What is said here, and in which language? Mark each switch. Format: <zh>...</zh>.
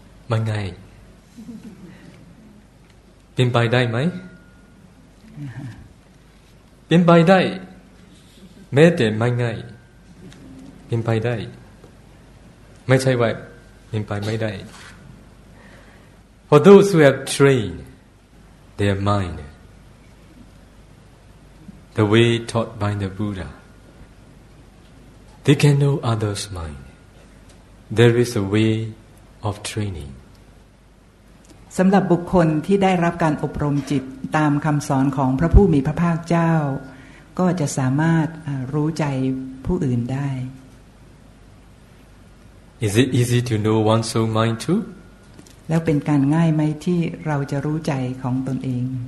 <th>มันง่ายเป็นไปได้ไหมเป็นไปได้แม้แต่ไม่ง่ายเป็นไปได้ไม่ใช่ว่าเป็นไปไม่ได้</th> <en>For those who have trainedTheir mind, the way taught by the Buddha, they can know others' mind. There is a way of training.</en> <th>สำหรับบุคคลที่ได้รับการอบรมจิตตามคำสอนของพระผู้มีพระภาคเจ้าก็จะสามารถรู้ใจผู้อื่นได้</th> <en>Is it easy to know one's own mind too?</en> <th>แล้วเป็นการง่ายไหมที่เราจะรู้ใจของตนเอง</th>